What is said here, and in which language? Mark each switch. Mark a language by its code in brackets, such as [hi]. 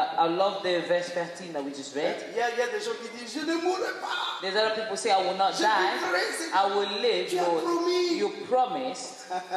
[en] I love the verse 13 that we just read. [fr] Y a des gens qui disent, je ne mourrai pas. [en] There's other people say, I will not die. I will live. You promised.